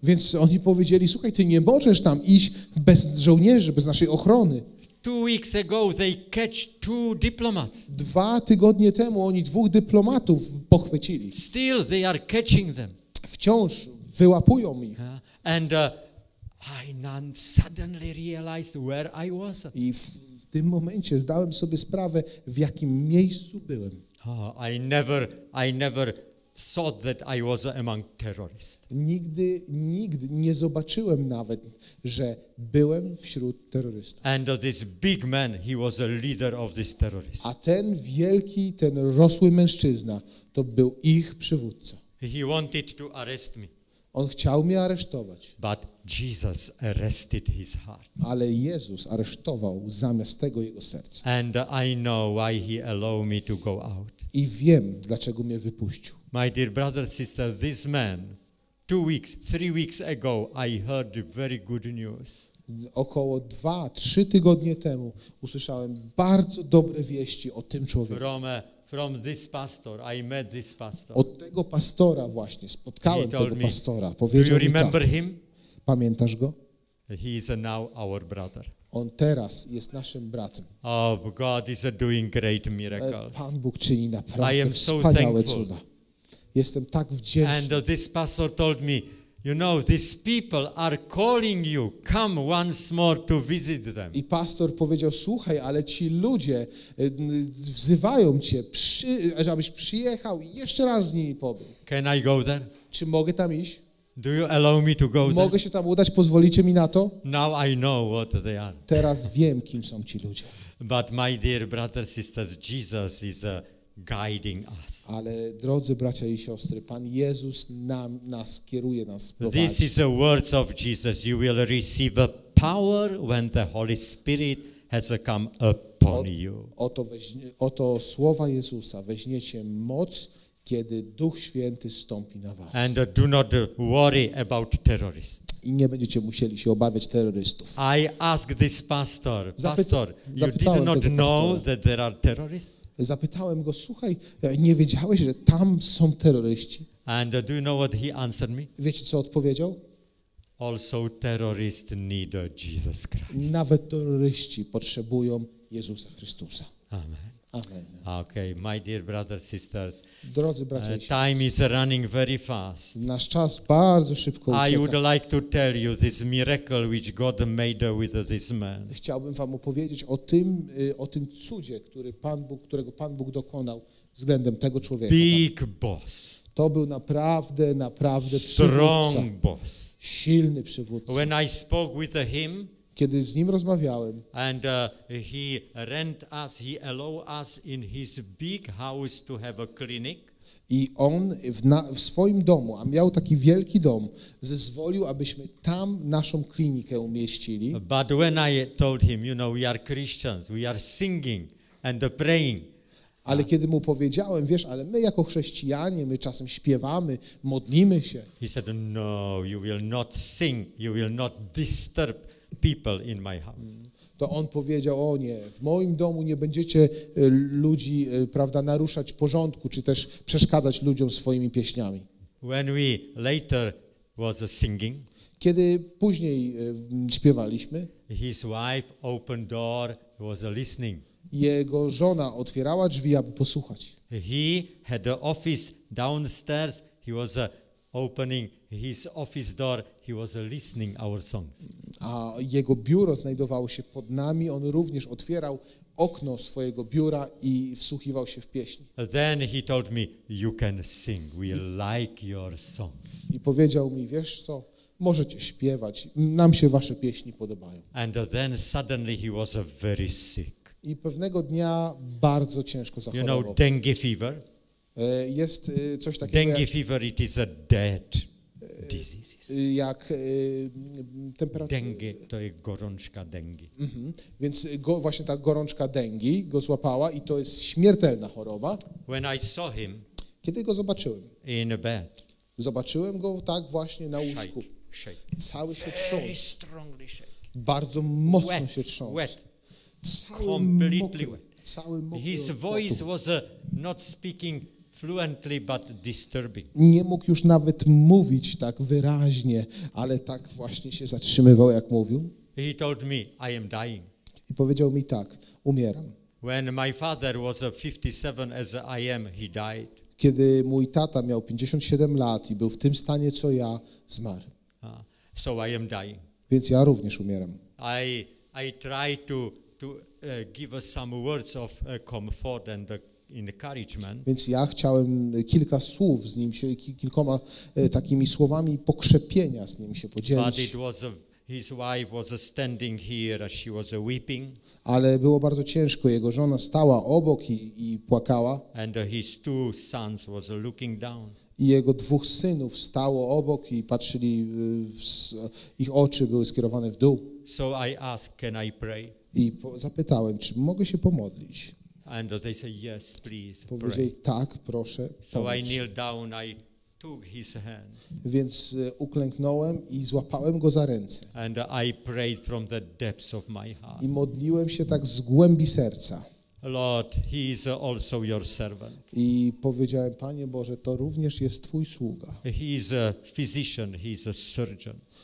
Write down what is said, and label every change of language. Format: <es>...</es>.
<pl>Więc oni powiedzieli, słuchaj, ty nie możesz tam iść bez żołnierzy, bez naszej ochrony.</pl> <en>2 weeks ago they catch 2 diplomats.</en> <pl>2 tygodnie temu oni 2 dyplomatów pochwycili.</pl> <en>Still they are catching them.</en> <pl>Wciąż wyłapują ich.</pl> <en>And I then suddenly realized where I was.</en> <pl>I w tym momencie zdałem sobie sprawę, w jakim miejscu byłem.</pl> <en>Oh, I never thought that I was among terrorists.</en> <pl>Nigdy nie zobaczyłem nawet, że byłem wśród terrorystów.</pl> <en>And this big man, he was a leader of this terrorist.</en> <pl>A ten wielki, ten rosły mężczyzna, to był ich przywódca.</pl> <en>He wanted to arrest me.</en> <pl>On chciał mnie aresztować.</pl> <en>But Jesus arrested his heart.</en> <pl>Ale Jezus aresztował zamiast tego jego serce.</pl> <en>And I know why he allowed me to go out.</en> <pl>I wiem, dlaczego mnie wypuścił.</pl> <en>My dear brother, sister, this man, 2 weeks, 3 weeks ago, I heard very good news.</en> <pl>Około 2-3 tygodnie temu usłyszałem bardzo dobre wieści o tym człowieku.</pl> <en>From this pastor, I met this pastor.</en> <pl>Od tego pastora właśnie spotkałem tego pastora. Powiedział mi,</pl> <en>him?</en> <pl>Pamiętasz go?</pl> <en>He is now our brother.</en> <pl>On teraz jest naszym bratem.</pl> <en>Oh, God is doing great miracles.</en> <pl>Pan Bóg czyni naprawdę wspaniałe cuda. Jestem tak wdzięczny.</pl> <en>And this pastor told me, you know, these people are calling you. Come once more to visit them.</en> <pl>I pastor powiedział, słuchaj, ale ci ludzie wzywają cię, abyś przyjechał i jeszcze raz z nimi pobył.</pl> <en>Can I go there?</en> <pl>Czy mogę tam iść?</pl> <en>Do you allow me to go there?</en> <pl>Mogę się tam udać, pozwolicie mi na to?</pl> <en>Now I know what they are.</en> <pl>Teraz wiem, kim są ci ludzie.</pl> <en>But my dear brothers, sisters, Jesus is a guiding us.</en> <pl>Ale drodzy bracia i siostry, Pan Jezus nas kieruje, nas prowadzi.</pl> <en>This is the words of Jesus. You will receive a power when the Holy Spirit has come upon you.</en> <pl>Oto słowa Jezusa. Weźmiecie moc, kiedy Duch Święty stąpi na was.</pl> <en>And do not worry about terrorists.</en> <pl>I nie będziecie musieli się obawiać terrorystów.</pl> <en>I ask this pastor. Pastor, you did not know that there are terrorists?</en> <pl>Zapytałem go, słuchaj, nie wiedziałeś, że tam są terroryści?</pl> <en>And do you know what he answered me?</en> <pl>Wiecie, co odpowiedział?</pl> <en>Also terrorists need Jesus Christ.</en> <pl>Nawet terroryści potrzebują Jezusa Chrystusa.</pl> <en>Amen.</en> <pl>Amen.</pl> <en>Okay, my dear brothers, sisters.</en> <pl>Drodzy bracia i siostry.</pl> <en>Time is running very fast.</en> <pl>Nasz czas bardzo szybko ucieka.</pl> <en>I would like to tell you this miracle which God made with this man.</en> <pl>Chciałbym wam opowiedzieć o tym cudzie, którego Pan Bóg dokonał względem tego człowieka.</pl> <en>Big boss.</en> <pl>To był naprawdę</pl> <en>strong</en> <pl>przywódca.</pl> <en>Boss.</en> <pl>Silny przywódca.</pl> <en>When I spoke with him,</en> <pl>kiedy z nim rozmawiałem.</pl> <en>And he rent us, he allow us in his big house to have a clinic.</en> <pl>I on w swoim domu, a miał taki wielki dom, zezwolił, abyśmy tam naszą klinikę umieścili.</pl> <en>But when I told him, you know, we are Christians, we are singing and praying.</en> <pl>Ale kiedy mu powiedziałem, wiesz, ale my jako chrześcijanie, my czasem śpiewamy, modlimy się.</pl> <en>He said, no, you will not sing, you will not disturb people in my house.</en> <pl>To on powiedział, o nie, w moim domu nie będziecie ludzi, prawda, naruszać porządku, czy też przeszkadzać ludziom swoimi pieśniami.</pl> <en>When we later was singing,</en> <pl>kiedy później śpiewaliśmy,</pl> <en>his wife opened door, was listening.</en> <pl>Jego żona otwierała drzwi, aby posłuchać.</pl> <en>He had an office downstairs, he was opening his office door, he was listening our songs.</en> <pl>A jego biuro znajdowało się pod nami, on również otwierał okno swojego biura i wsłuchiwał się w pieśni.</pl> <en>Then he told me, you can sing, we like your songs.</en> <pl>I powiedział mi, wiesz co, możecie śpiewać, nam się wasze pieśni podobają.</pl> <en>And then suddenly he was very sick.</en> <pl>I pewnego dnia bardzo ciężko zachorował.</pl> <en>You know dengue fever?</en> <pl>Jest coś takiego.</pl> <en>Dengue fever, it is a dead disease.</en> <pl>Jak temperatura. Dengue, to jest gorączka dengue. Mhm. Więc właśnie ta gorączka dengue go złapała i to jest śmiertelna choroba.</pl> <en>When I saw him,</en> <pl>kiedy go zobaczyłem?</pl> <en>In a bed.</en> <pl>Zobaczyłem go tak właśnie na łóżku. Cały się trząsł. Bardzo mocno</pl> <en>wet,</en> <pl>się trząsł.</pl> <en>Wet.</en> <pl>Cały mokry.</pl> <en>His voice was not speaking fluently, but disturbing.</en> <pl>Nie mógł już nawet mówić tak wyraźnie, ale tak właśnie się zatrzymywał, jak mówił.</pl> <en>He told me, I am dying.</en> <pl>I powiedział mi tak, umieram.</pl> <en>When my father was 57 as I am, he died.</en> <pl>Kiedy mój tata miał 57 lat i był w tym stanie, co ja, zmarł.</pl> <en>So I am dying.</en> <pl>Więc ja również umieram.</pl> <en>I try to give us some words of comfort and encouragement.</en> <pl>Więc ja chciałem kilka słów z nim się, kilkoma takimi słowami pokrzepienia z nim się podzielić.</pl> <en>But it was his wife was standing here, she was weeping.</en> <pl>Ale było bardzo ciężko. Jego żona stała obok i płakała.</pl> <en>And his two sons was looking down.</en> <pl>I jego dwóch synów stało obok i patrzyli, ich oczy były skierowane w dół.</pl> <en>So I asked, can I pray?</en> <pl>I zapytałem, czy mogę się pomodlić?</pl> <en>And they said, yes, please,</en> <pl>powiedzieli,</pl> <en>pray.</en> <pl>Tak, proszę,</pl> <en>so</en> <pl>pomóc.</pl> <en>I kneel down, I took his hands.</en> <pl>Więc uklęknąłem i złapałem go za ręce.</pl> <en>And I prayed from the depths of my heart.</en> <pl>I modliłem się tak z głębi serca.</pl> <en>Lord, he is also your servant.</en> <pl>I powiedziałem, Panie Boże, to również jest Twój sługa.</pl> <en>He is a physician, he is a surgeon.</en>